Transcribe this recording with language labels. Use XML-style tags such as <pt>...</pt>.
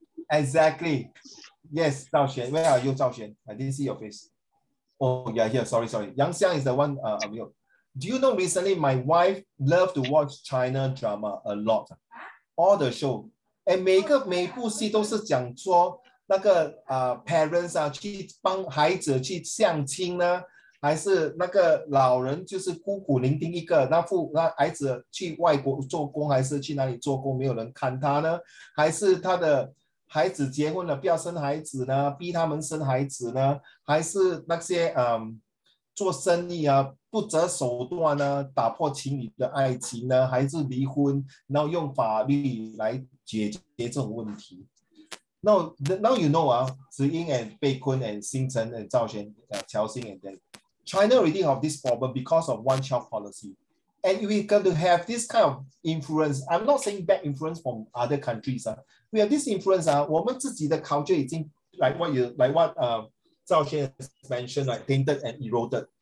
<en>Exactly. Yes, Zhao Xuan. Where are you, Zhao Xuan? I didn't see your face. Oh, yeah, here. Sorry, sorry. Yang Xiang is the one. Do you know recently my wife loved to watch China drama a lot? All the show.</en> <zh>And 每部戏都是讲说 那个 parents 啊去帮孩子去相亲呢，还是那个老人就是孤苦伶仃一个，那父那孩子去外国做工，还是去哪里做工，没有人看他呢？还是他的孩子结婚了不要生孩子呢，逼他们生孩子呢？还是那些做生意啊不择手段啊打破情侣的爱情呢？还是离婚，然后用法律来解决这种问题？</zh> <en>Now you know, Ziying and Pei Kun and Xing Chen and Zhao Xuan, Chao Xing and then China already have this problem because of one child policy. And we got to have this kind of influence. I'm not saying bad influence from other countries. We have this influence. Our culture is like Zhao Xuan has mentioned, like tainted and eroded.</en>